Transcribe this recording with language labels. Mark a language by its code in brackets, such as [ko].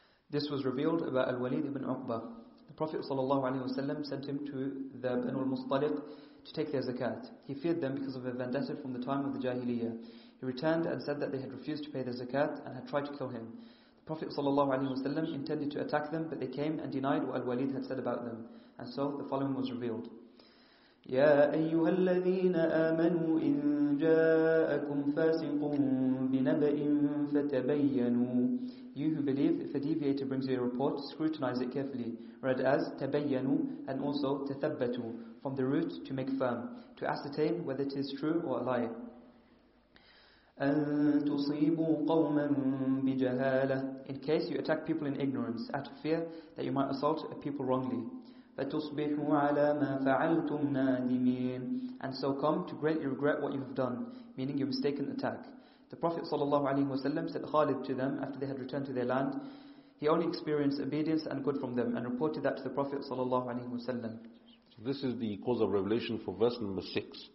[en] This was revealed about Al-Walid ibn Uqba. The Prophet ﷺ sent him to the Banu al-Mustaliq to take their zakat. He feared them because of a vendetta from the time of the Jahiliyyah. He returned and said that they had refused to pay their zakat and had tried to kill him. The Prophet ﷺ intended to attack them, but they came and denied what Al-Walid had said about them. And so the following was revealed. [ar] يا أيها الذين آمنوا إن جاءكم فاسق بنبأ فتبينوا. [en] You who believe, if a deviator brings you a report, scrutinize it carefully. Read as تبينوا and also تثبتوا, from the root to make firm, to ascertain whether it is true or a lie. [ar] أن تصيبوا قوما بجهالة. [en] In case you attack people in ignorance, out of fear that you might assault a people wrongly. [ar] فتصبحوا على ما فعلتم نادمين. [en] And so come to greatly regret what you have done, meaning your mistaken attack. The Prophet ﷺ sent Khalid to them after they had returned to their land. He only experienced obedience and good from them and reported that to the Prophet ﷺ. So this is the cause of revelation for verse number 6.